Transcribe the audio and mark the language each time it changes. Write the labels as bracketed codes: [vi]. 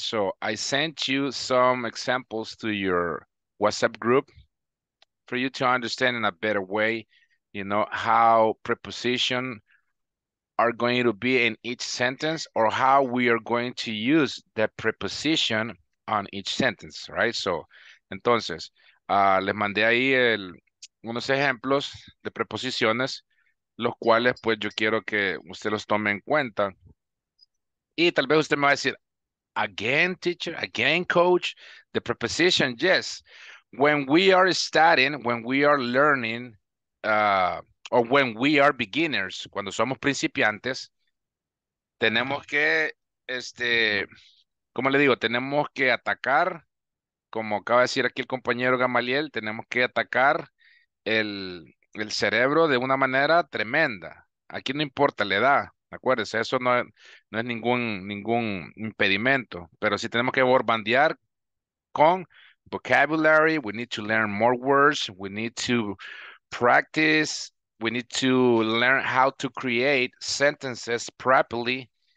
[en] So I sent you some examples to your WhatsApp group for you to understand in a better way, you know, how preposition are going to be in each sentence, or how we are going to use the preposition on each sentence, right? So, [es] entonces, les mandé ahí unos ejemplos de preposiciones, los cuales, pues, yo quiero que usted los tome en cuenta. Y tal vez usted me va a decir, [en] again, teacher, again, coach, the preposition, yes. When we are studying, when we are learning, o when we are beginners, [es] cuando somos principiantes, tenemos que, ¿cómo le digo? Tenemos que atacar, como acaba de decir aquí el compañero Gamaliel, tenemos que atacar el cerebro de una manera tremenda. Aquí no importa la edad, acuérdense, eso no es ningún impedimento, pero sí tenemos que borbandear con vocabulary, [en] we need to learn more words, we need to practice. We need to learn how to create sentences properly.